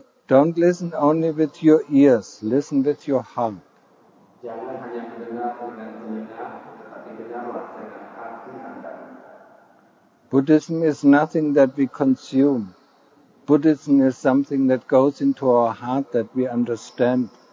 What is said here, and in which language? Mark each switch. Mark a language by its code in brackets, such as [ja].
[en] Don't listen only with your ears, listen with your heart. [id] Jangan hanya mendengar dengan telinga, tetapi dengarlah dengan hati Anda. [en] Buddhism is nothing that we consume. Buddhism is something that goes into our heart that we understand.